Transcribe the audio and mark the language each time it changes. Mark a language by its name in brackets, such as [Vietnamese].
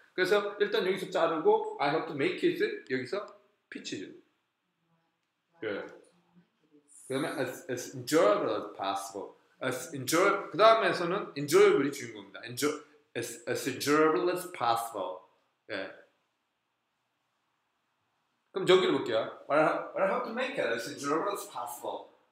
[Korean] 그래서 일단 여기서 자르고 [English] I hope to make it [Korean] 여기서 pitch죠. 네. 그다음에 [English] as enjoyable as possible. As enjoyable [Korean] 그다음에서는 enjoyable이 주인공입니다. [English] As enjoyable as possible. [Korean] 네. 그럼 저기를 볼게요. [English] I hope to make it as enjoyable as possible.